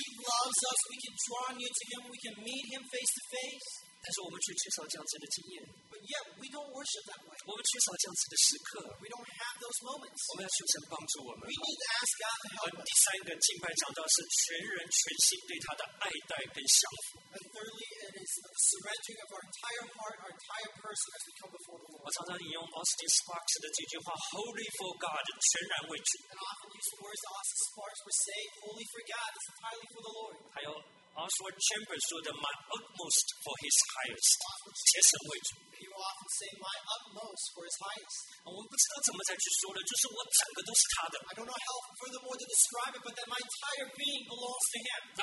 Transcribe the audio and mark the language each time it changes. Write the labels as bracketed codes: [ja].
[en] He loves us. We can draw near to Him. We can meet Him face to face. [zh] 但是我们却缺少这样子的经验。 [en] But yet we don't worship that way. [zh] 我们缺少这样子的时刻。 [en] We don't have those moments. [zh] 我们要求神帮助我们。 [en] We need to ask God to help. [zh] 第三个敬拜讲到是全人全心对他的爱戴跟降服。 [en] And thirdly, it is the surrendering of our entire heart, our entire person as we come before the Lord. [zh] 我常常引用 Austin Sparks 的这句话 ， [en] Holy for God, [zh] 全然为主。 [en] And often use words Austin Sparks would say, "Holy for God, it's entirely for the Lord." [zh] 还有 Oswald Chambers 说的 [en] "My utmost for His highest, [zh] 全神为主." [en] You often say my utmost for His highest. [zh] 我不知道怎么再去说了，就是我整个都是他的。 [en] I don't know how furthermore to describe it, but that my entire being belongs to Him.